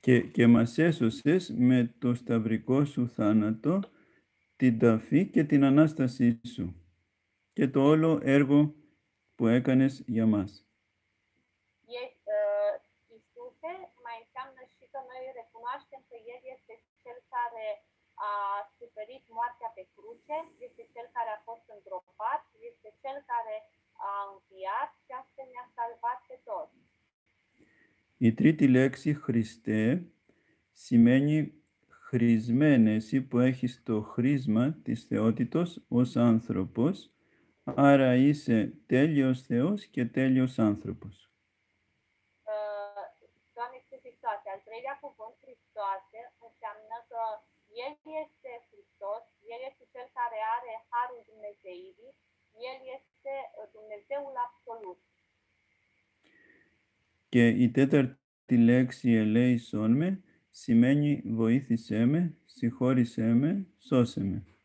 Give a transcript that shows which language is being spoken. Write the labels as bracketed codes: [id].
[el] Και μας έσωσες με το σταυρικό σου θάνατο, την ταφή και την Ανάστασή σου και το όλο έργο που έκανες για μας. [ro] sfârșită, noi recunoaștem că El este Cel care a suferit moartea pe cruce, este Cel care a fost îngropat, este Cel care a înviat și astfel ne-a salvat pe toți. [el] Η τρίτη λέξη «Χριστέ» σημαίνει «χρισμένε», εσύ που έχεις το χρίσμα της θεότητος ως άνθρωπος, άρα είσαι τέλειος Θεός και τέλειος άνθρωπος. [ro] Doamne Χριστόσε, al treilea cuvânt Χριστόσε înseamnă că El este Χριστός, El este Cel care are harul Dumnezeirii, El este Dumnezeul Absolut. [el] Και η τέταρτη λέξη «ελέησόν με» σημαίνει «βοήθησέ με», «συγχώρησέ με», «σώσε με».